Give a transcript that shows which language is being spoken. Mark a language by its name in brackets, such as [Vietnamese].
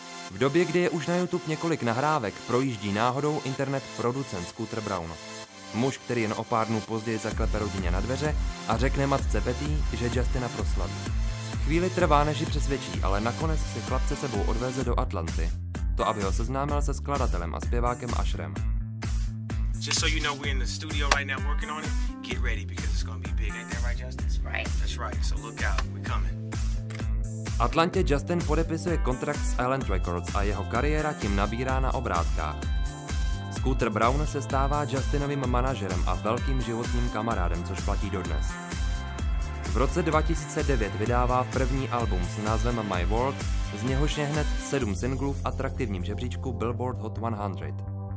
[Czech] V době, kdy je už na YouTube několik nahrávek, projíždí náhodou internet producent Scooter Brown. Muž, který jen o pár dnů později zaklepe rodině na dveře a řekne matce Betty, že Justina proslaví. Chvíli trvá, než ji přesvědčí, ale nakonec si chlapce sebou odveze do Atlanty. To, aby ho seznámil se skladatelem a zpěvákem Asherem. [English] Just so you know, we're in the studio right now working on it. Get ready because it's gonna be big, ain't that right, Justin? Right. That's right. So look out, we're coming. [Czech] Atlantě Justin podepisuje kontrakt s Island Records a jeho kariéra tím nabírá na obrátkách. Scooter Brown se stává Justinovým manažerem a velkým životním kamarádem, což platí dodnes. V roce 2009 vydává první album s názvem My World, z něhož je hned 7 singlů v atraktivním žebříčku Billboard Hot 100.